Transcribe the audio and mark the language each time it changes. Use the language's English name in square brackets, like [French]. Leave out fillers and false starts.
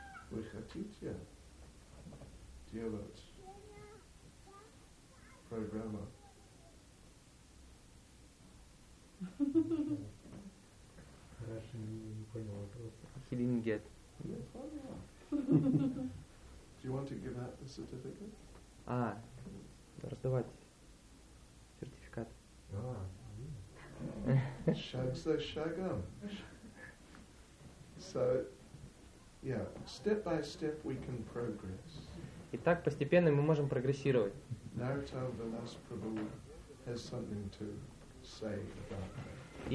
[Russian] Вы хотите делать программу? Хорошо, не понял вопроса. [English] He didn't get. Do you want to give out the certificate? [Russian] А, раздавать сертификат. Шагза шагам. [English] So, yeah, step by step we can progress. [Russian] Итак, постепенно мы можем прогрессировать. [English] Narottam Vilas Prabhu has something to say about that.